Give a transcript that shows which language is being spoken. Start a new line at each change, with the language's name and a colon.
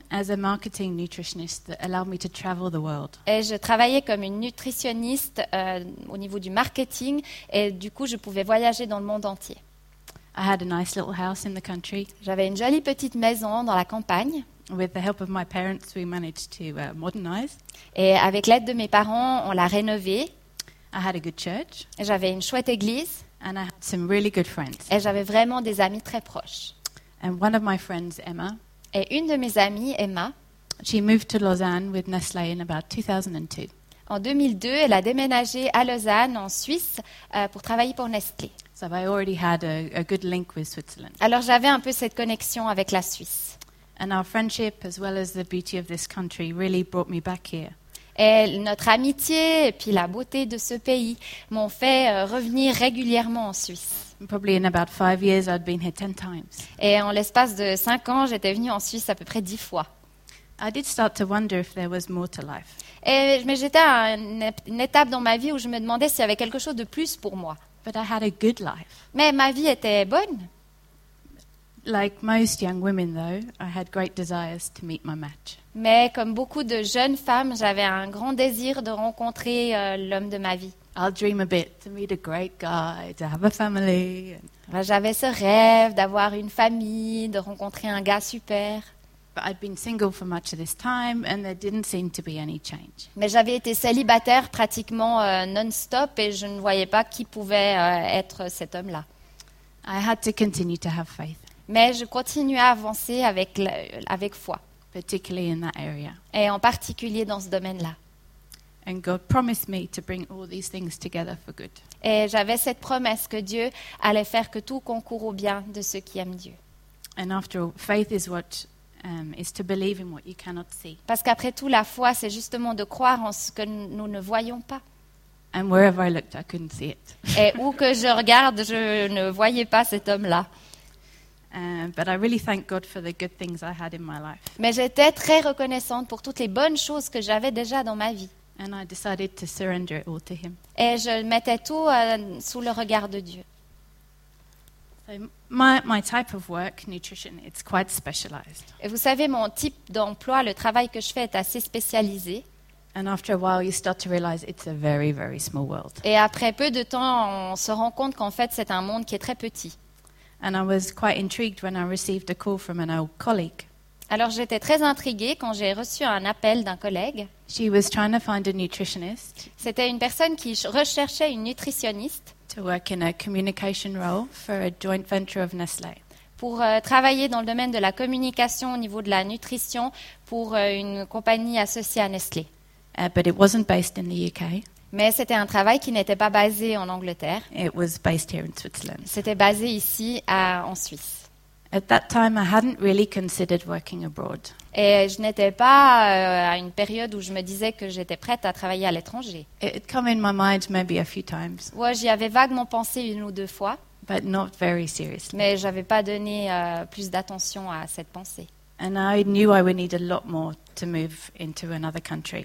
English: As a marketing nutritionist that allowed me to travel the world.
French: Et je travaillais comme une nutritionniste au niveau du marketing et du coup je pouvais voyager dans le monde entier.
English: I had a nice little house in the country.
French: J'avais une jolie petite maison dans la campagne.
English: With the help of my parents, we managed to modernize.
French: Et avec l'aide de mes parents, on l'a rénovée.
English: I had a good church.
French: Et j'avais une chouette église.
English: And I had some really good friends.
French: Et j'avais vraiment des amis très proches.
English: And one of my friends, Emma.
French: Et une de mes amies, Emma.
English: She moved to Lausanne with Nestlé in about 2002.
French: En 2002, elle a déménagé à Lausanne, en Suisse, pour travailler pour Nestlé.
English: So I already had a good link with Switzerland.
French: Alors j'avais un peu cette connexion avec la Suisse.
English: And our friendship, as well as the beauty of this country, really brought me back here.
French: Et notre amitié et puis la beauté de ce pays m'ont fait revenir régulièrement en Suisse.
English: Probably in about 5 years, I'd been here 10 times.
French: Et en l'espace de 5 ans, j'étais venue en Suisse à peu près 10 fois.
English: I did start to wonder if there was more to life.
French: Mais j'étais à une étape dans ma vie où je me demandais s'il y avait quelque chose de plus pour moi.
English: But I had a good life.
French: Mais ma vie était bonne.
English: Like most young women, though, I had great desires to meet my match.
French: Mais comme beaucoup de jeunes femmes, j'avais un grand désir de rencontrer l'homme de ma vie.
English: I'll dream a bit to meet a great guy, to have a family.
French: J'avais ce rêve d'avoir une famille, de rencontrer un gars super.
English: But I'd been single for much of this time, and there didn't seem to be any change.
French: Mais j'avais été célibataire pratiquement non-stop, et je ne voyais pas qui pouvait être cet homme-là.
English: I had to continue to have faith.
French: Mais je continuais à avancer avec foi.
English: Particularly in that area.
French: Et en particulier dans ce domaine-là.
English: And God promised me to bring all these things together for good.
French: Et j'avais cette promesse que Dieu allait faire que tout concourt au bien de ceux qui aiment Dieu.
English: And after all, faith is what is to believe in what you cannot see.
French: Parce qu'après tout, la foi, c'est justement de croire en ce que nous ne voyons pas.
English: And wherever I looked, I couldn't see it.
French: Et où que je regarde, je ne voyais pas cet homme-là.
English: But I really thank God for the good things I had in my life.
French: Mais j'étais très reconnaissante pour toutes les bonnes choses que j'avais déjà dans ma vie.
English: And I decided to surrender it all to Him.
French: Et je mettais tout sous le regard de Dieu.
English: So my type of work, nutrition, it's quite specialized.
French: Et vous savez, mon type d'emploi, le travail que je fais est assez spécialisé.
English: And after a while, you start to realize it's a very, very small world.
French: Et après peu de temps, on se rend compte qu'en fait, c'est un monde qui est très petit.
English: And I was quite intrigued when I received a call from an old colleague.
French: Alors j'étais très intriguée quand j'ai reçu un appel d'un collègue.
English: She was trying to find a nutritionist.
French: C'était une personne qui recherchait une nutritionniste.
English: To work in a communication role for a joint venture of Nestlé.
French: Pour travailler dans le domaine de la communication au niveau de la nutrition pour une compagnie associée à Nestlé.
English: But it wasn't based in the UK.
French: Mais c'était un travail qui n'était pas basé en Angleterre.
English: It was based here in Switzerland.
French: C'était basé ici en Suisse.
English: At that time, I hadn't really considered working abroad.
French: Et je n'étais pas à une période où je me disais que j'étais prête à travailler à l'étranger.
English: It had come in my mind maybe a few times.
French: Ouais, j'y avais vaguement pensé une ou deux fois.
English: But not very seriously.
French: Mais j'avais pas donné plus d'attention à cette pensée.
English: And I knew I would need a lot more to move into another country.